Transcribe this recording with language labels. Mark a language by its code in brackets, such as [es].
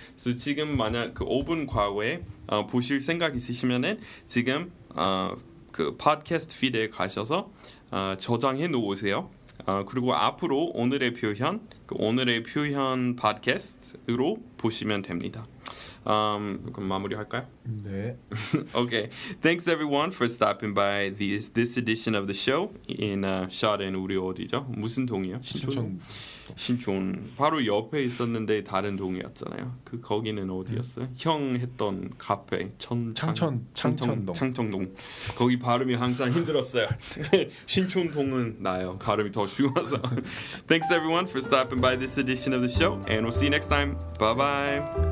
[ko] 그래서 지금 만약 그 5분 과외 보실 생각 있으시면은 지금 그 팟캐스트 피드에 가셔서 저장해 놓으세요. 그리고 앞으로 오늘의 표현, 그 오늘의 표현 팟캐스트로 보시면 됩니다. 그럼 마무리할까요? 네. [en] Okay. Thanks everyone for stopping by this edition of the show in shot in [ko] 우리 어디죠? 무슨 동이요? 신촌. 바로 옆에 있었는데 다른 동이었잖아요. 그 거기는 어디였어요? 형 했던 카페. 창천동. 거기 발음이 항상 힘들었어요. 신촌동은 나요. 발음이 더 쉬워서. [en] Thanks everyone for stopping by this edition of the show and we'll see you next time. Bye bye.